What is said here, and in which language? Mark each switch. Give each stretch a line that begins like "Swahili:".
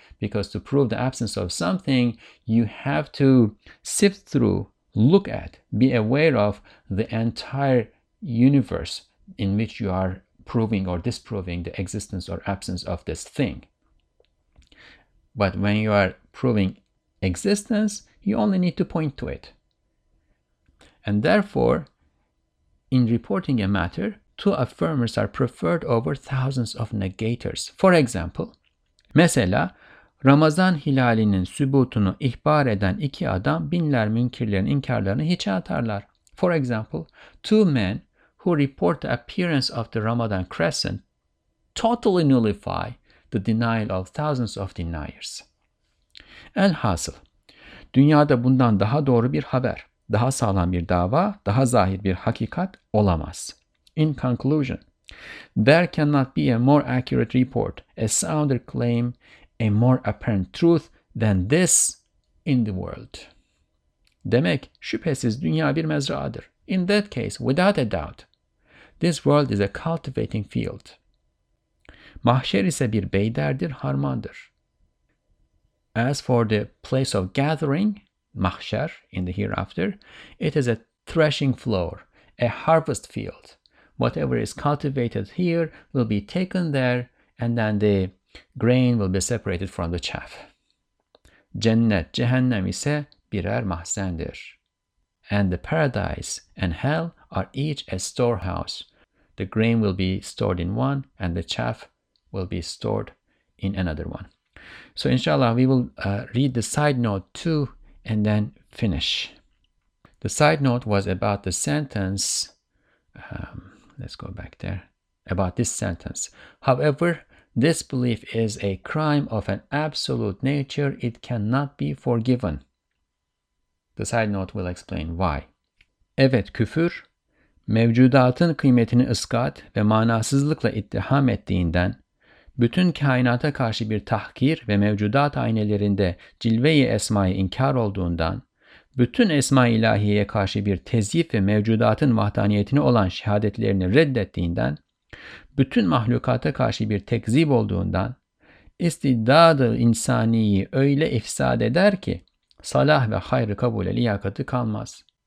English: Because to prove the absence of something, you have to sift through, look at, be aware of the entire universe in which you are proving or disproving the existence or absence of this thing. But when you are proving existence, you only need to point to it. And therefore, in reporting a matter, two affirmers are preferred over thousands of negators. For example,
Turkish: mesela Ramazan hilalinin sübutunu ihbar eden iki adam binler münkirlerin inkarlarını hiçe atarlar.
English: For example, two men who report the appearance of the Ramadan crescent totally nullify the denial of thousands of deniers.
Turkish: Elhasıl, dünyada bundan daha doğru bir haber, daha sağlam bir dava, daha zahir bir hakikat olamaz.
English: In conclusion, there cannot be a more accurate report, a sounder claim, a more apparent truth than this in the world.
Turkish: Demek, şüphesiz dünya bir mezradır.
English: In that case, without a doubt, this world is a cultivating field.
Turkish: Mahşer ise bir beyderdir, harmandır.
English: As for the place of gathering, mahşer, in the hereafter, it is a threshing floor, a harvest field. Whatever is cultivated here will be taken there, and then the grain will be separated from the chaff.
Turkish: Cennet, cehennem ise birer mahzendir.
English: And the paradise and hell are each a storehouse. The grain will be stored in one, and the chaff will be stored in another one. So inshallah, we will read the side note too and then finish. The side note was about the sentence. Let's go back there. About this sentence. However, disbelief is a crime of an absolute nature. It cannot be forgiven. The side note will explain why.
Turkish: Evet, küfür, mevcudatın kıymetini ıskat ve manasızlıkla ittiham ettiğinden, bütün kainata karşı bir tahkir ve mevcudat aynelerinde cilve-i esma'yı inkar olduğundan, bütün esma-i ilahiyeye karşı bir tezyif ve mevcudatın vahdaniyetini olan şehadetlerini reddettiğinden, bütün mahlukata karşı bir tekzip olduğundan, istidad-ı insaniyi öyle ifsad eder ki, salah ve hayrı kabule liyakatı kalmaz.